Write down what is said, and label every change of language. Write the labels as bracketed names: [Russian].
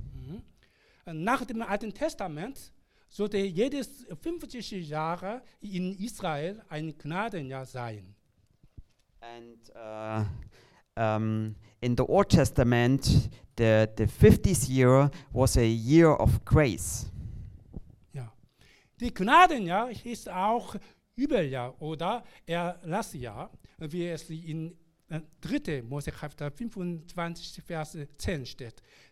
[German] Mm-hmm. Nach dem Alten Testament sollte jedes 50 Jahre in Israel ein Gnadenjahr sein. [English] And in the Old Testament, the 50th year was a year of grace. Ja. [German] Die Gnadenjahr hieß auch Überjahr oder Erlassjahr, wie es in 3. Mose Kapitel 25, Vers 10 steht.